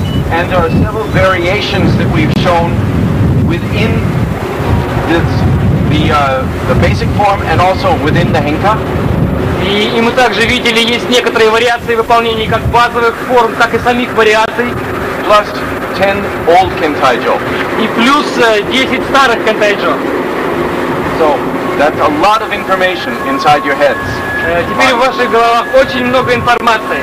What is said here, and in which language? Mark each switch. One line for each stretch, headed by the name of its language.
English: And there are several variations that we've shown within the basic form and also within the Hinka.
Russian: И мы также видели, есть некоторые вариации выполнения как базовых форм, так и самих вариаций.
English: Plus 10 old Kentaijo.
Russian: И плюс 10 старых Kentaijo.
English: So, that's a lot of information inside your heads.
Russian: Теперь в ваших головах очень много информации.